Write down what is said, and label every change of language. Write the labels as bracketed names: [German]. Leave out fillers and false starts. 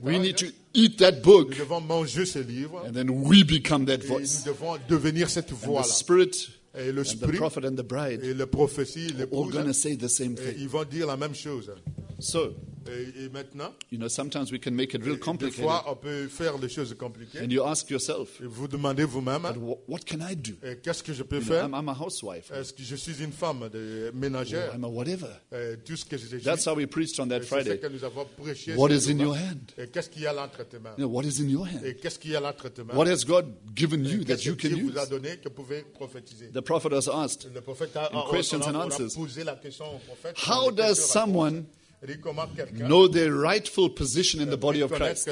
[English] we need to eat that book. [French] Nous devons manger ce livre, [English] and then we become that voice. [French] Nous devons devenir cette voix-là. [English] And the Spirit [French] et le [English] and the prophet and the bride. [French] Et le prophétie, [English] are all going to say the same thing. [French] Ils vont dire la même chose. [English] So. [French] Et maintenant, [English] you know, sometimes we can make it real complicated. [French] Des fois, on peut faire des choses compliquées. [English] And you ask yourself, [French] et vous demandez vous-même, [English] what can I do? [French] Et qu'est-ce que je peux faire? [English] Know, I'm a housewife. [French] Est-ce que je suis une femme de ménagère? [English] I'm a whatever. [French] Tout ce que j'ai. [English] That's how we preached on that Friday. [French] C'est ce que nous avons prêché. [English] What is in your hand? [French] Et qu'est-ce qu'il y a entre tes mains? [English] You know, what is in your hand? [French] Et qu'est-ce qu'il y a entre tes mains? [English] What has God given you that you can use? [French] Qu'est-ce que Dieu vous a donné que pouvez prophétiser? [English] The prophet has asked. [French] Le prophète a posé la question au prophète. [English] How does someone know their rightful position in the body of Christ.